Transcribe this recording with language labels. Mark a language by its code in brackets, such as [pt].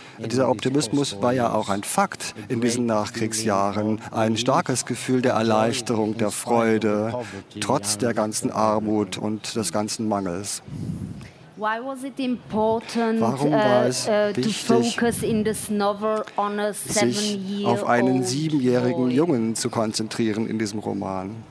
[de] Dieser Optimismus war ja auch ein Fakt in diesen Nachkriegsjahren. Ein starkes Gefühl der Erleichterung, der Freude, trotz der ganzen Armut und des ganzen Mangels. [en] Why was it important, [de] warum war es wichtig, [en] to focus in this novel on a [de] sich auf einen siebenjährigen Jungen zu konzentrieren in diesem Roman?